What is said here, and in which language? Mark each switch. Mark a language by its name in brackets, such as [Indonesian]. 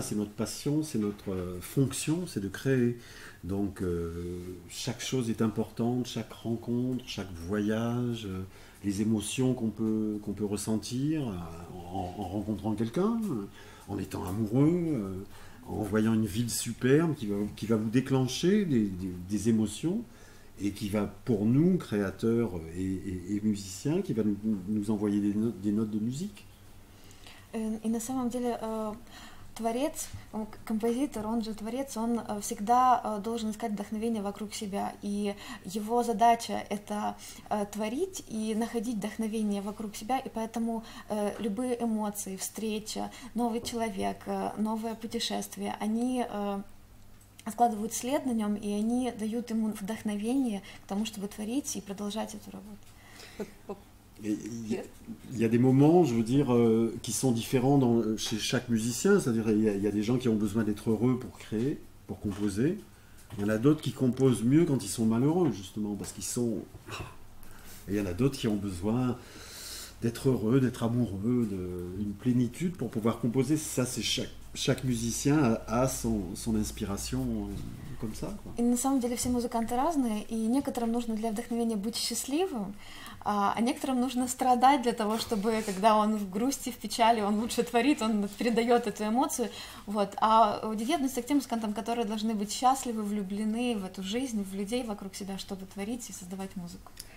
[French] C'est notre passion, c'est notre fonction, c'est de créer. Donc, chaque chose est importante, chaque rencontre, chaque voyage, les émotions qu'on peut ressentir en rencontrant quelqu'un, en étant amoureux, en voyant une ville superbe qui va vous déclencher des émotions. et qui va, pour nous, créateurs et musiciens, qui va nous envoyer des notes de musique. [Russian] И на самом деле творец, композитор, он же творец, он всегда должен искать вдохновение вокруг себя. И его задача — это творить и находить вдохновение вокруг себя. И поэтому любые эмоции, встреча, новый человек, новое путешествие, они складывают след на нем, и они дают ему вдохновение к тому, чтобы творить и продолжать эту работу. [French] Il y a des moments, je veux dire, qui sont différents chez chaque musicien. C'est-à-dire, il y a des gens qui ont besoin d'être heureux pour créer, pour composer. Il y en a d'autres qui composent mieux quand ils sont malheureux, justement, parce qu'ils sont... Et il y en a d'autres qui ont besoin d'être heureux, d'être amoureux, d'une plénitude pour pouvoir composer. Ça, c'est chaque musicien a son inspiration comme ça. [Russian] Et на самом деле, все музыканты разные, и некоторым нужно для вдохновения быть счастливым. А некоторым нужно страдать для того, чтобы, когда он в грусти, в печали, он лучше творит, он передает эту эмоцию. Вот. А Дидье относится к тем музыкантам, которые должны быть счастливы, влюблены в эту жизнь, в людей вокруг себя, чтобы творить и создавать музыку.